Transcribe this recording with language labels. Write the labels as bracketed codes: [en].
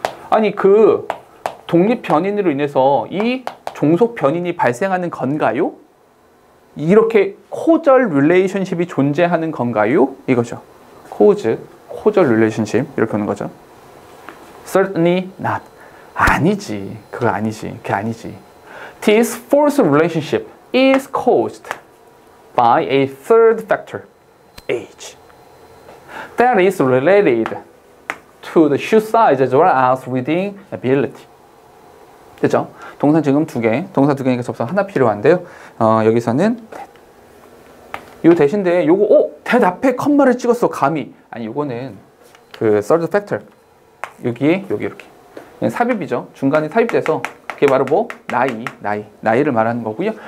[ko] 아니 그 독립변인으로 인해서 이 종속변인이 발생하는 건가요? 이렇게 causal relationship이 존재하는 건가요? 이거죠. cause. 코절 릴레이션십 이렇게 오는 거죠. [en] Certainly not. [ko] 아니지. 그거 아니지. 그게 아니지. [en] This fourth relationship is caused by a third factor, age. That is related to the shoe size as well as reading ability. [ko] 됐죠? 동사 지금 두 개. 동사 두 개니까 접속 하나 필요한데요. 여기서는 이거 대신데 이거 that 앞에 콤마를 찍었어. 감히. 아니 요거는 그 third factor 여기에 여기 이렇게 그냥 삽입이죠. 중간에 삽입돼서 그게 바로 뭐? 나이를 말하는 거고요.